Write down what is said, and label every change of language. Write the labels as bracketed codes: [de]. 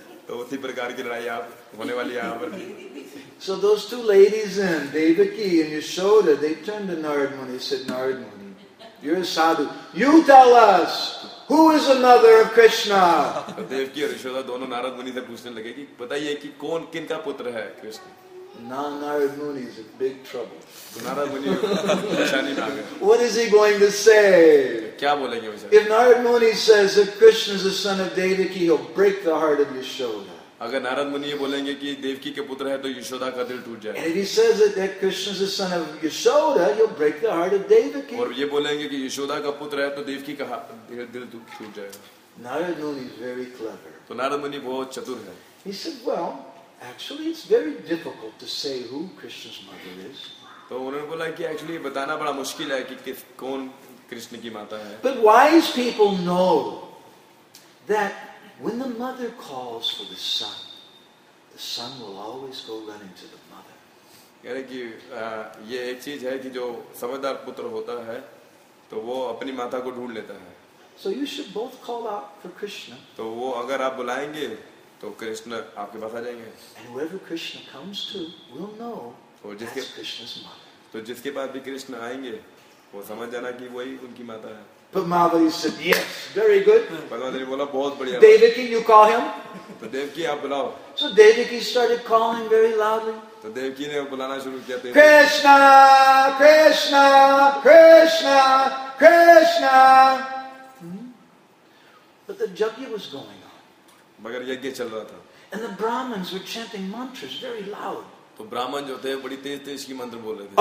[hi] तो उसी प्रकार की लड़ाई आप होने वाली यहाँ पर. [en] So those two ladies and Devaki and Yashoda, they turned to Narad Muni. They said, Narad Muni, you're a sadhu. You tell us who is the mother of Krishna. [hi] Devaki और यशोदा दोनों नारद मुनि से पूछने लगे कि बताइए कि कौन किन का पुत्र है Krishna. [en] Narad Muni is in big trouble. [hi] Narad Muni परेशान ही नागर. [en] What is he going to say? [hi] क्या बोलेंगे वो. [en] If Narad Muni says that Krishna is the son of Devaki, he'll break the heart of Yashoda. [hi] अगर नारद मुनि ये बोलेंगे कि देवकी के पुत्र है तो यशोदा का दिल टूट जाएगा. [en] And if he says that Krishna is the son of Yashoda, he'll break the heart of Devaki. [hi] और ये बोलेंगे कि यशोदा का पुत्र है तो देवकी का दिल टूट जाएगा. [en] Narad Muni is very clever. [hi] तो नारद मुनि बहुत चतुर है. [en] He said, well, actually, it's very difficult to say who Krishna's mother is. [hi] तो उन्होंने बोला कि actually बताना बड़ा मुश्किल है कि किस कौन कृष्ण की माता है. [en] But wise people know that when the mother calls for the son will always go running to the mother. [hi] कह रहे कि ये एक चीज है कि जो समझदार पुत्र होता है तो तो वो अपनी माता को ढूंढ लेता है. [en] So you should both call out for Krishna. [hi] तो वो अगर आप बुलाएंगे तो कृष्ण आपके पास आ जाएंगे. [en] And wherever Krishna comes to, we'll know that's Krishna's mother. [hi] तो जिसके पास भी कृष्ण आएंगे वो समझ जाना कि वही उनकी माता है. [en] But Madhavi said, yes, very good. [hi] भगवान ने बोला बहुत बढ़िया. [en] Devaki, you call him. [hi] तो देवकी आप बुलाओ. [en] So Devaki started calling very loudly. [hi] तो देवकी ने बुलाना शुरू किया. [en] Krishna, Krishna, Krishna, Krishna. But the yajna was going on. [hi] मगर यज्ञ चल रहा था. [en] And the Brahmins were chanting mantras very loud. [hi] तो ब्राह्मण जो थे बड़ी तेज तेज की मंत्र बोल रहे थे.